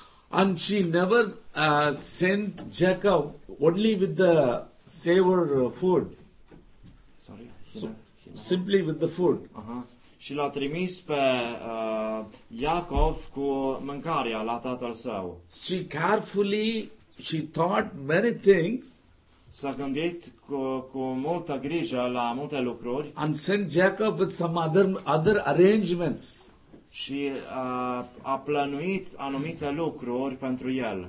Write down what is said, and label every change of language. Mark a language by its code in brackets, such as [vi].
[en] And she never sent Jacob only with the savor food. Sorry. Simply with the food. [ro] Și l-a trimis pe Iacov cu mâncarea la tatăl său. [en] She carefully she thought many things. [ro] S-a gândit cu multă grijă la multe lucruri. [en] And sent Jacob with some other arrangements. [ro] Și a plănuit anumite lucruri pentru el.